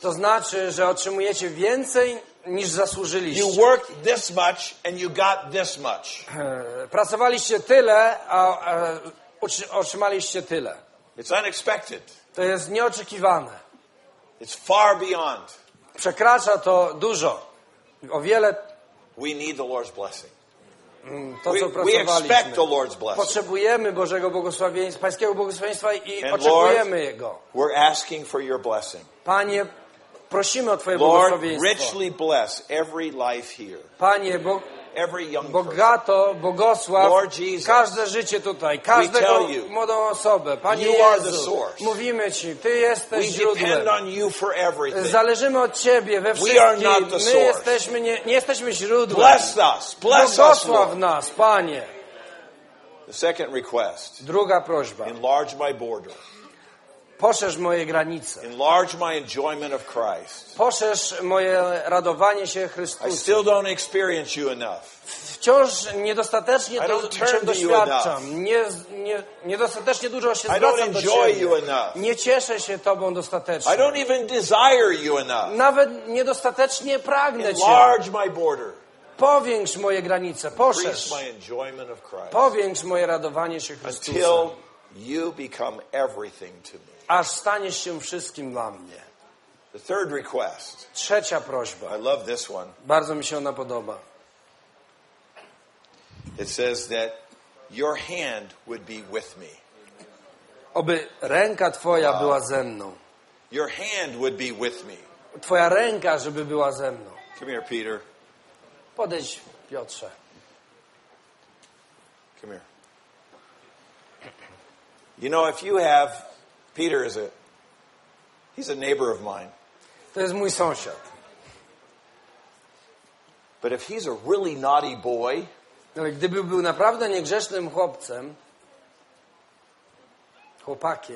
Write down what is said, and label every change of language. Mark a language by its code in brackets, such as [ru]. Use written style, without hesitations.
[pl] To znaczy, że otrzymujecie więcej niż zasłużyliście. [en] You worked this much and you got this much. [pl] Pracowaliście tyle, a otrzymaliście tyle. [en] It's unexpected. [pl] To jest nieoczekiwane. [en] It's far beyond. [pl] Przekracza to dużo. O wiele. [en] We need the Lord's blessing. [pl] To, co pracowaliśmy. Potrzebujemy Bożego błogosławieństwa, Pańskiego błogosławieństwa i oczekujemy Jego. [en] We're asking for your blessing. [pl] Panie, prosimy o Twoje [en] Lord, [pl] błogosławieństwo. [en] Richly bless every life here. [pl] Panie, bogato błogosław [en] Lord Jesus, [pl] każde życie tutaj, każdą młodą osobę. Panie Jezu, mówimy Ci, Ty jesteś źródłem. Zależymy od Ciebie we wszystkim. My jesteśmy, nie jesteśmy źródłem. [en] Bless us, bless [pl] błogosław [en] us, [pl] nas, Panie. [en] The second request, [pl] druga prośba. [en] Enlarge my border. [pl] Poszerz moje granice. [en] Enlarge my enjoyment of Christ. [pl] Poszerz moje radowanie się Chrystusem. [en] I still don't experience you enough. [pl] Wciąż niedostatecznie to cię doświadczam. Niedostatecznie dużo się zwracam do Ciebie. [en] I don't enjoy you enough. [pl] Nie cieszę się Tobą dostatecznie. [en] I don't even desire you enough. [pl] Nawet niedostatecznie pragnę Cię. [en] Enlarge my border. [pl] Powiększ moje granice. Poszerz. [en] Increase my enjoyment of Christ. [pl] Powiększ moje radowanie się Chrystusem. [en] Until you become everything to me. [pl] Aż staniesz się wszystkim dla mnie. [en] The third request. [pl] Trzecia prośba. [en] I love this one. [pl] Bardzo mi się ona podoba. [en] It says that your hand would be with me. [pl] Oby ręka twoja była ze mną. [en] Your hand would be with me. [pl] Twoja ręka, żeby była ze mną. [en] Come here, Peter. [pl] Podejdź, Piotrze. [en] Come here. You know, if you have Peter, is it? He's a neighbor of mine. [pl] To jest mój sąsiad. [en] But if he's a really naughty boy, [pl] ale gdyby był naprawdę niegrzesznym chłopcem, chłopakiem.